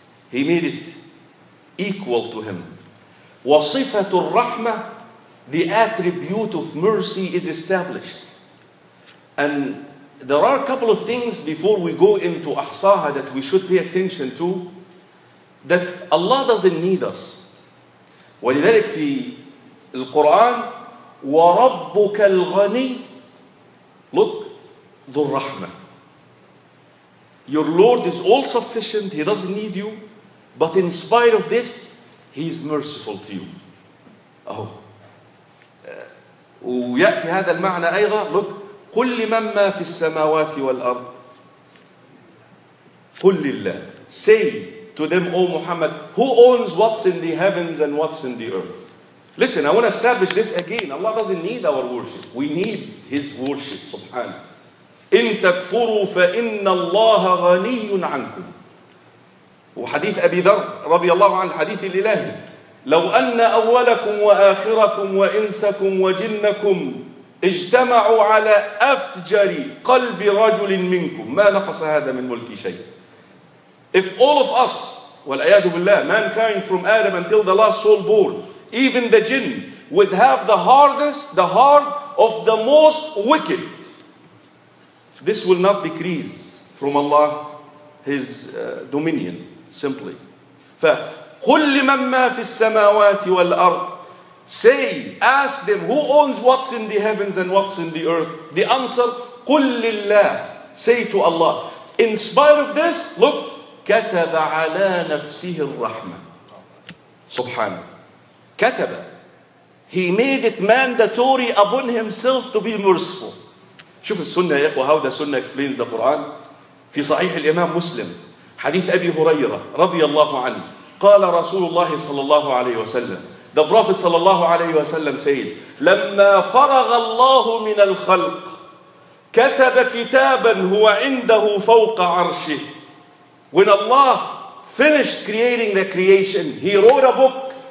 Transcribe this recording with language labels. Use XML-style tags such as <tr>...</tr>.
<en>He made it equal to him.</en> <ar>وصفة الرحمة,</ar> <en>the attribute of mercy is established. And there are a couple of things before we go into أحصاها that we should pay attention to, that Allah doesn't need us.</en> <ar>ولذلك في القرآن, وربك الغني,</ar> <en>look,</en> <ar>ذو الرحمة.</ar> <en>Your Lord is all sufficient, he doesn't need you, but in spite of this, he is merciful to you. Oh.</en> <ar>ويأتي هذا المعنى أيضا,</ar> <en>look,</en> <ar>قل لمن ما في السماوات والأرض, قل لله.</ar> <en>Say to them, O Muhammad, who owns what's in the heavens and what's in the earth? Listen, I want to establish this again. Allah doesn't need our worship. We need his worship, subhanahu.</en> <ar>إن تكفروا فإن الله غني عنكم. وحديث أبي ذر رضي الله عنه, حديث الإلهي, لو أن أولكم وآخركم وإنسكم وجنكم اجتمعوا على أفجر قلب رجل منكم ما نقص هذا من ملك شيء.</ar> <en>If all of us,</en> <ar>والعياذ بالله,</ar> <en>mankind from Adam until the last soul born, even the jinn, would have the heart of the most wicked, this will not decrease from Allah his dominion, simply.</en> <ar>فقل لمن ما في السماوات والأرض,</ar> <en>say, ask them, who owns what's in the heavens and what's in the earth? The answer,</en> <ar>قل لله,</ar> <en>say to Allah. In spite of this, look,</en> <ar>كتب على نفسه الرحمة. سبحانه. كتب.</ar> <en>He made it mandatory upon himself to be merciful.</en> <ar>شوف السنة يا إخوة,</ar> <en>how the sunnah explains the Quran.</en> <ar>في صحيح الإمام مسلم, حديث أبي هريرة رضي الله عنه, قال رسول الله صلى الله عليه وسلم,</ar> <en>the Prophet</en> <ar>صلى الله عليه وسلم</ar> <en>says,</en> <ar>لما فرغ الله من الخلق كتب كتابا هو عنده فوق عرشه.</ar> <en>When Allah finished creating the creation, he wrote a book.</en>